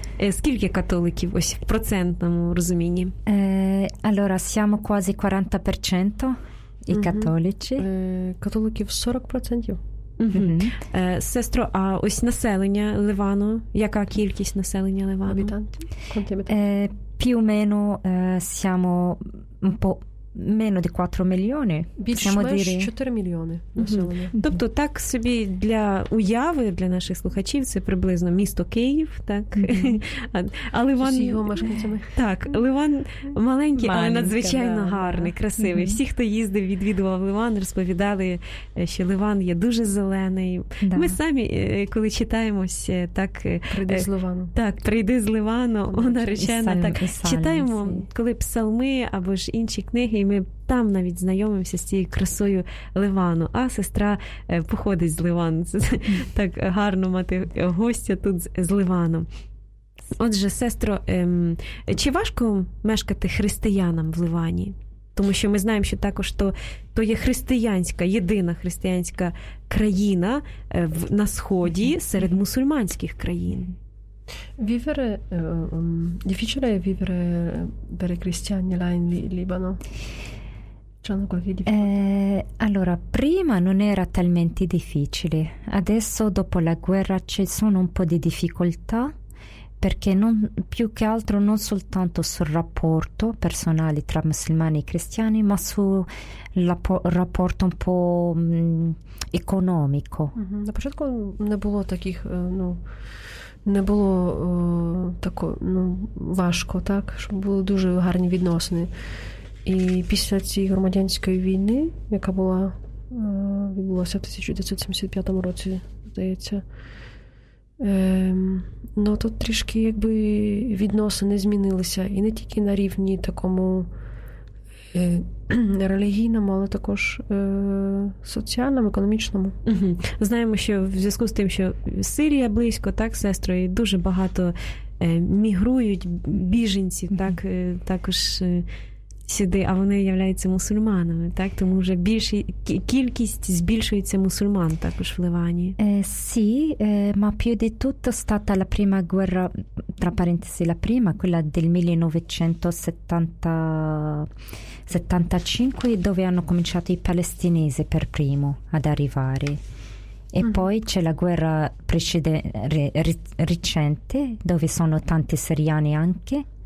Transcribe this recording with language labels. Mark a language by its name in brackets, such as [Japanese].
[Ukrainian] Скільки католиків ось в процентному розумінні? [Italian] Allora, siamo quasi 40% i cattolici. [Ukrainian] Католиків 40%. Сестро, а ось населення Ливану, яка кількість населення Ливану? [Italian] Più o meno siamo un po' meno di 4 [Ukrainian] мільйони. Більше 4 мільйони населення. Тобто так собі для уяви, для наших слухачів, це приблизно місто Київ, так? А Ливан... З його мешканцями. Так, Ливан маленький, але надзвичайно гарний, красивий. Всі, хто їздив, відвідував Ливан, розповідали, що Ливан є дуже зелений. Ми самі, коли читаємося, так... Прийди з Ливану. Так, прийди з Ливану, наречена. Так, читаємо, коли псалми або ж інші книги, і ми там навіть знайомимося з цією красою Ливану. А сестра походить з Ливану. Це так гарно мати гостя тут з Ливаном. Отже, сестро, чи важко мешкати християнам в Ливані? Тому що ми знаємо, що також то є християнська, єдина християнська країна на Сході серед мусульманських країн. [Italian] Vivere difficile è vivere per i cristiani là in Libano? C'è una qualche difficoltà? Allora, prima non era talmente difficile. Adesso, dopo la guerra, ci sono un po' di difficoltà, perché non, più che altro non soltanto sul rapporto personale tra musulmani e cristiani, ma sul rapporto un po' economico. [Ukrainian] Da початку не було таких, ну... Не було важко, так? Щоб були дуже гарні відносини. І після цієї громадянської війни, яка була, відбулася в 1975 році, здається, тут трішки якби відносини змінилися. І не тільки на рівні такому релігійному, але також соціальному, економічному. Знаємо, що в зв'язку з тим, що Сирія близько, так, сестро, і дуже багато мігрують біженці, так, також сюди, а вони являються мусульманами, так, тому вже більше кількість збільшується мусульман також в Ливані. [Italian] Ma più di tutto stata la prima guerra, tra parentesi, la prima, quella del 1975, dove hanno cominciato i palestinesi per primo ad arrivare. E poi c'è la guerra recente, dove sono tanti siriani anche.